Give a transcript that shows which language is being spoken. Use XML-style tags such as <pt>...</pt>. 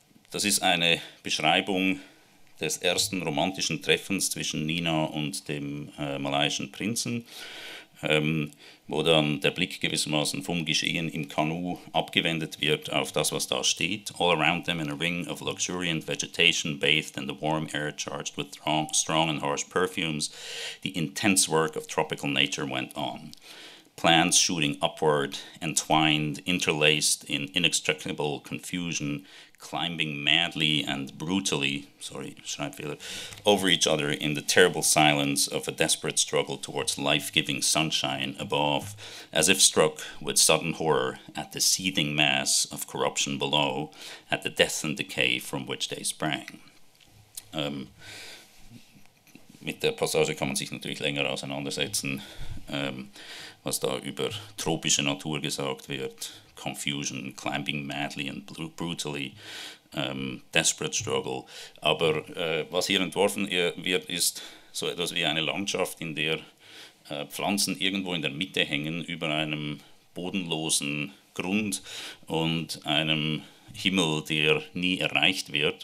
<de>Das ist eine Beschreibung des ersten romantischen Treffens zwischen Nina und dem malaiischen Prinzen, wo dann der Blick gewissermaßen vom Geschehen im Kanu abgewendet wird auf das, was da steht.</de> <en>All around them in a ring of luxuriant vegetation bathed in the warm air charged with strong and harsh perfumes, the intense work of tropical nature went on. Plants shooting upward, entwined, interlaced in inextricable confusion, climbing madly and brutally, sorry, Schreibfehler, over each other in the terrible silence of a desperate struggle towards life-giving sunshine above, as if struck with sudden horror at the seething mass of corruption below, at the death and decay from which they sprang.</en> <de>Mit der Passage kann man sich natürlich länger auseinandersetzen, was da über tropische Natur gesagt wird.</de> <en>Confusion, climbing madly and brutally, desperate struggle.</en> <de>Aber was hier entworfen wird, ist so etwas wie eine Landschaft, in der Pflanzen irgendwo in der Mitte hängen, über einem bodenlosen Grund und einem Himmel, der nie erreicht wird.</de>